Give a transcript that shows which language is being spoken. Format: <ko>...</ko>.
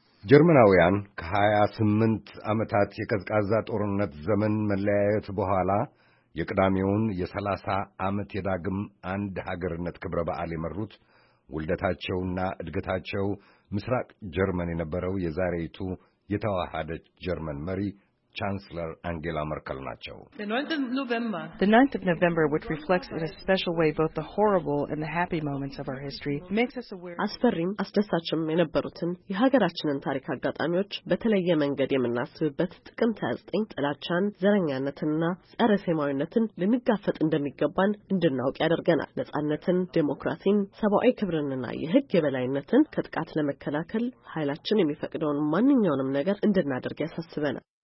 <am>ጀርመናውያን ከ28 ዓመታት የቀዝቃዛ ጦርነት ዘመን መለያየት በኋላ የቅዳሜውን የ30 ዓመት የዳግም አንድ ሀገርነት ክብረ በዓል የመሩት ውልደታቸውና እድገታቸው ምስራቅ ጀርመን የነበረው የዛሬቱ የተዋሃደች ጀርመን መሪ Chancellor Angela Merkel ናቸው።</am> <en>The 9th of November, which reflects in a special way both the horrible and the happy moments of our history, makes us aware</en> <am>አስፈሪም አስደሳችም የነበሩትን የሀገራችንን ታሪክ አጋጣሚዎች በተለየ መንገድ የምናስብበት ጥቅምት 29 ጥላቻን፣ ዘረኛነትንና ጸረ ሴማዊነትን ልንጋፈጥ እንደሚገባን እንድናውቅ ያደርገናል። ነጻነትን፣ ዴሞክራሲን፣ ሰብአዊ ክብርንና የሕግ የበላይነትን ከጥቃት ለመከላከል ኃይላችን የሚፈቅደውን ማንኛውንም ነገር እንድናደርግ ያሳስበናል።</am>